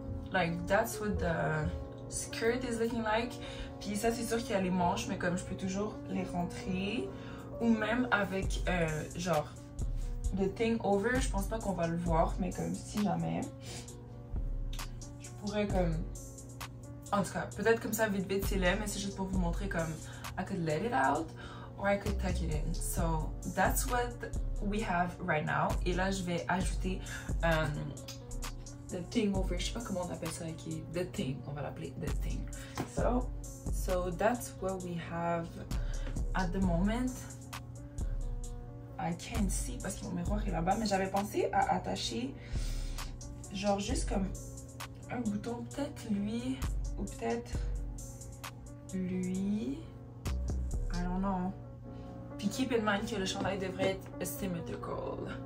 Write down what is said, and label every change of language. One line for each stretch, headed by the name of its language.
English: Like, that's what the skirt is looking like.
French: Puis ça, c'est sûr qu'il y a les manches, mais comme je peux toujours les rentrer. Ou même avec, genre, The Thing Over, je pense pas qu'on va le voir, mais comme si jamais. Je pourrais comme... En tout cas, peut-être comme ça vite vite c'est l'air, mais c'est juste pour vous montrer comme
English: I could let it out or I could tuck it in. So that's what we have right now.
French: Et là, je vais ajouter The Thing Over. Je sais pas comment on appelle ça, qui The Thing. On va l'appeler The Thing.
English: So that's what we have at the moment. I can't see
French: parce que mon miroir est là-bas, mais j'avais pensé à attacher genre juste comme un bouton, peut-être lui. Ou peut-être lui,
English: I don't know.
French: Puis
English: keep in mind
French: que le chandail devrait être asymmetrical.